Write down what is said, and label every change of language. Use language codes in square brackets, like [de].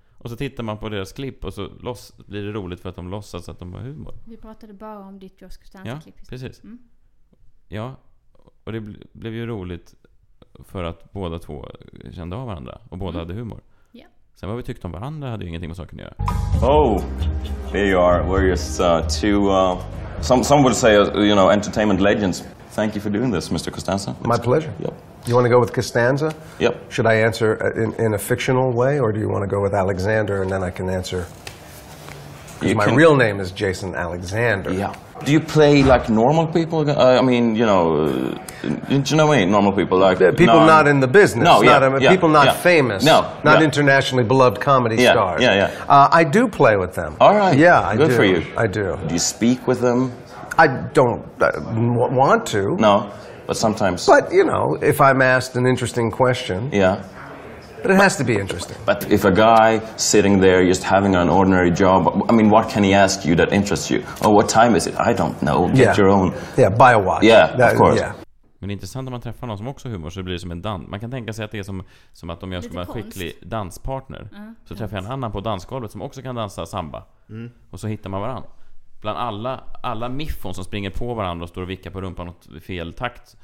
[sv] Och så tittar man på deras klipp och så blir det roligt för att de låtsas att de har humor. Vi pratade bara om ditt George Costanza-klipp. Ja, precis. Mm. Ja, och det blev ju roligt för att båda två kände av varandra och båda hade humor. [en] Yeah. [sv] Sen vad vi tyckte om varandra hade ju ingenting med saken att göra. [en] Oh, there you are. We're just some would say, you know, entertainment legends. Thank you for doing this, Mr. Costanza. My pleasure. Yep. You want to go with Costanza? Yep. Should I answer in a fictional way, or do you want to go with Alexander and then I can answer? My real name is Jason Alexander. Yeah. Do you play like normal people? I mean, you know, normal people, like people not in the business. No, not people not famous. No, not internationally beloved comedy stars. Yeah, yeah. I do play with them. All right. Yeah, I do. Good for you. I do. Do you speak with them? I don't want to. No, but sometimes. But you know, if I'm asked an interesting question. Yeah. But it has to be interesting. But if a guy sitting there just having an ordinary job, I mean, what can he ask you that interests you? Oh, what time is it? I don't know. Get your own. Yeah, buy a watch. Yeah, of course. Yeah. [sv] Men det är intressant om man träffar någon som också har humor, så blir det som en dans. Man kan tänka sig att det är som att om jag ska vara en skicklig danspartner, så träffar jag en annan på dansgolvet som också kan dansa samba. Mm. Och så hittar man varandra. Bland alla miffon som springer på varandra och står och vickar på rumpan åt fel takt.